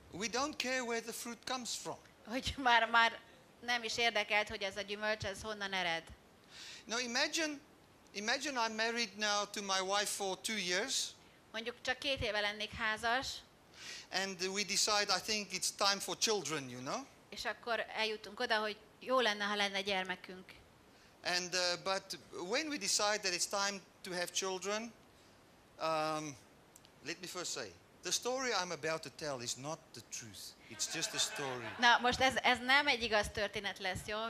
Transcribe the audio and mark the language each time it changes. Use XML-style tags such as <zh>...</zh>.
<en>We don't care where the fruit comes from.</en> <hu>Hogy már nem is érdekelt, hogy ez a gyümölcs, ez honnan ered.</hu> <en>Now imagine I'm married now to my wife for 2 years.</en> <hu>Mondjuk csak 2 éve lennék házas.</hu> <en>And we decide, I think it's time for children, you know.</en> <hu>És akkor eljutunk oda, hogy jó lenne, ha lenne gyermekünk.</hu> <en>And but when we decide that it's time to have children, let me first say, the story I'm about to tell is not the truth. It's just a story.</en> <hu>Na, most ez nem egy igaz történet lesz, jó?</hu>